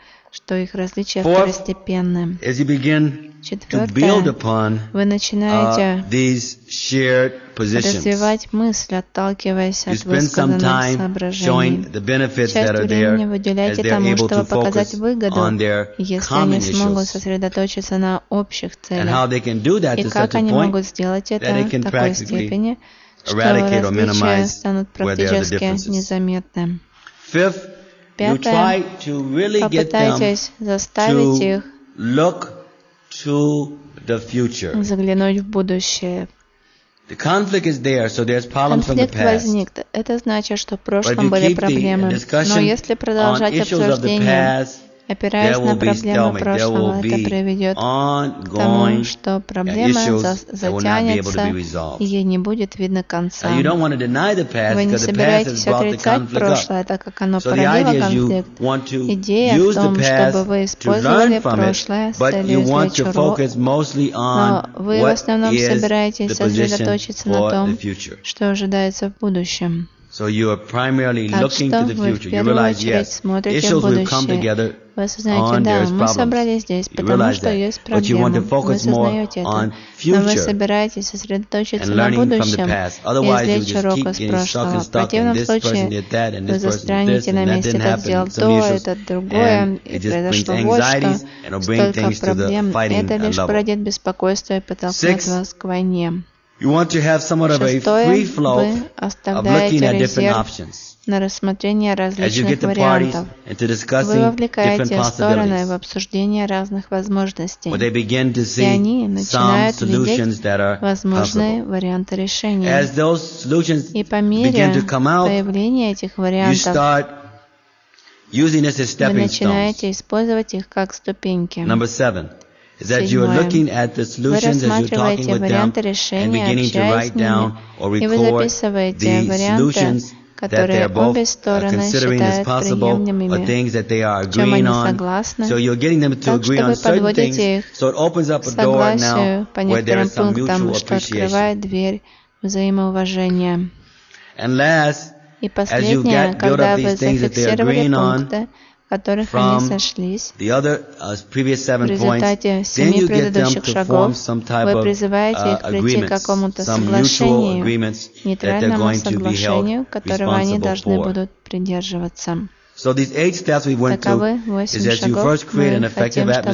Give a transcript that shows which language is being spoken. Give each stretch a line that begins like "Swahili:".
Russian: Что их различия второстепенны.
English: As you begin to build upon these shared positions,
Russian: развивать мысль, отталкиваясь от высказанных соображений.
English: You spend some time showing the benefits that are there, as they're able to focus
Russian: выгоду,
English: on their common issues,
Russian: на общих целях.
English: And how they can do that to such a point that they can practically eradicate or minimize where there are the differences. Fifth, you try to really get them to look to the future.
Russian: Заглянуть в будущее.
English: The conflict is there, so there's problems from the past.
Russian: Конфликт возник. Это значит, что в прошлом были проблемы. Но если продолжать обсуждение, опираясь на проблемы прошлого, это приведет к тому, что проблема затянется, и ей не будет видно конца. Вы не собираетесь отрицать прошлое, так как оно пролило конфликт. Идея в том, чтобы вы использовали прошлое с целью извлечь урок, но вы в основном собираетесь сосредоточиться на том, что ожидается в будущем.
English: So you are primarily looking to the future. You realize, yes, issues will come together on there's problems. You realize that. But you want to focus more on future and learning from the past. Otherwise, you just keep getting stuck and stuck and this person did that and this person did this and that didn't happen and some issues. And it just brings anxieties and it'll bring things to the fighting level. Six. You want to have somewhat of a free flow of looking at different options.
Russian: На рассмотрение различных вариантов. Вы вовлекаете стороны в обсуждение разных возможностей.
English: Where they begin to see
Russian: и они начинают видеть возможные варианты решения.
English: As those solutions
Russian: и по мере
English: begin to come out,
Russian: появления этих вариантов,
English: you start using this as stepping
Russian: вы начинаете
English: stones.
Russian: Использовать их как ступеньки.
English: Number seven. Is that you are looking at the solutions as you're talking with them and beginning to write down or record the solutions that they are both considering as possible or things that they are agreeing on. So you're getting them to agree on certain things, so it opens up a door now where there is some mutual appreciation. And last, as you get build up these things that they are agreeing on,
Russian: которых
English: from
Russian: они сошлись.
English: The other, previous seven
Russian: в результате семи предыдущих шагов вы призываете их прийти к какому-то соглашению, нейтральному соглашению, которого они должны будут придерживаться.
English: So these eight steps we went
Russian: Таковы восемь шагов.
English: You first create an effective atmosphere.